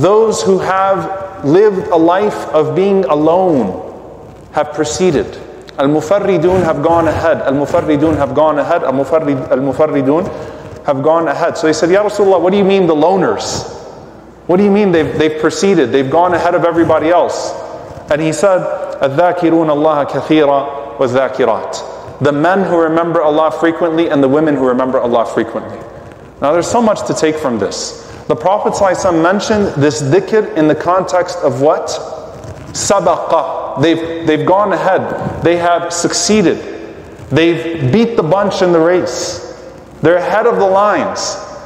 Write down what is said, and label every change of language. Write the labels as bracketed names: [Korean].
[English] Those who have lived a life of being alone have preceded. Al-mufarridun have gone ahead. Al-mufarridun have gone ahead. Al-mufarridun have gone ahead. So they said, Ya Rasulullah, what do you mean the loners? What do you mean they've preceded? They've gone ahead of everybody else. And he said, [Arabic] الذاكرون الله كثيرا والذاكرات. [English] The men who remember Allah frequently and the women who remember Allah frequently. Now there's so much to take from this. The Prophet ﷺ mentioned this dhikr in the context of what? Sabaqa. They've gone ahead. They have succeeded. They've beat the bunch in the race. They're ahead of the lines.